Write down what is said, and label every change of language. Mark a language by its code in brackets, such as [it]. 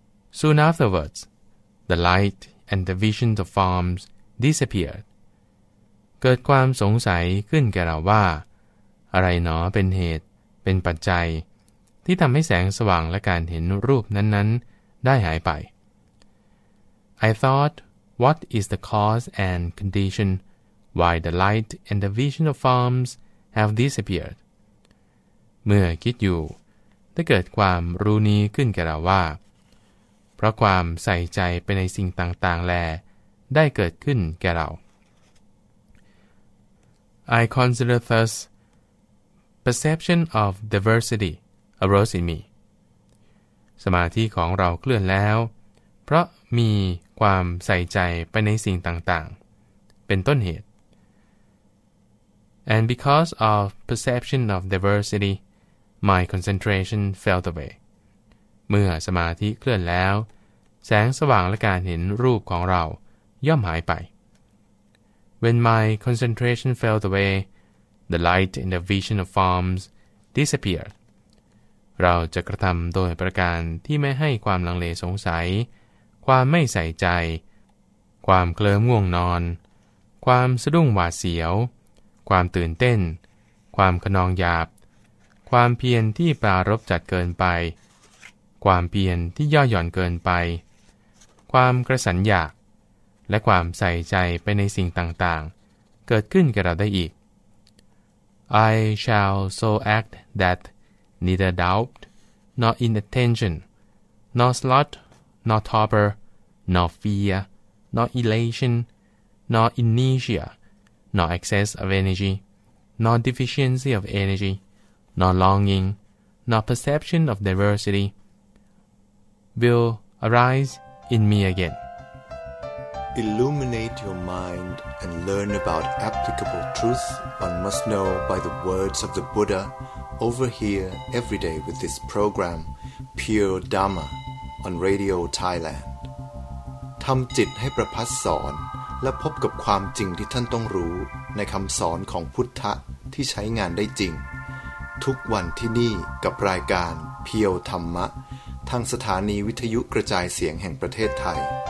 [en] Soon afterwards, the light and the vision of forms disappeared. [th] เกิดความสงสัยขึ้นแก่เราว่าอะไรหนอเป็นเหตุเป็นปัจจัยที่ทำให้แสงสว่างและการเห็นรูปนั้นๆได้หายไป [en] I thought, what is the cause and condition? Why the light and the vision of forms have disappeared. [th] เมื่อคิดอยู่ได้เกิดความรู้นี้ขึ้นแก่เราว่าเพราะความใส่ใจไปในสิ่งต่างๆแลได้เกิดขึ้นแก่เรา [en] I consider thus perception of diversity arose in me. [th] สมาธิของเราเคลื่อนแล้วเพราะมีความใส่ใจไปในสิ่งต่างๆเป็นต้นเหตุ [en] And because of perception of diversity, my concentration fell away. [th] เมื่อสมาธิเคลื่อนแล้วแสงสว่างและการเห็นรูปของเราย่อมหายไป [en] When my concentration fell away, the light and the vision of forms disappeared. [th] เราจะกระทำโดยประการที่ไม่ให้ความลังเลสงสัยความไม่ใส่ใจความเคลิ้มง่วงนอนความสะดุ้งหวาดเสียวความตื่นเต้นความขนองหยาบความเพียรที่ปรารภจัดเกินไปความเพียรที่ย่อหย่อนเกินไปความกระสันอยากและความใส่ใจไปในสิ่งต่างๆเกิดขึ้นกับเราได้อีก [en] I shall so act that neither doubt nor inattention nor sloth nor torpor nor fear nor elation nor inertiaNor excess of energy, nor deficiency of energy, nor longing, nor perception of diversity will arise in me again. Illuminate your mind and learn about applicable truth one must know by the words of the Buddha over here every day with this program, Pure Dharma, on Radio Thailand. [th] ทำจิตให้ประพัสสอนและพบกับความจริงที่ท่านต้องรู้ในคำสอนของพุทธะที่ใช้งานได้จริงทุกวันที่นี่กับรายการเพียวธรรมะทางสถานีวิทยุกระจายเสียงแห่งประเทศไทย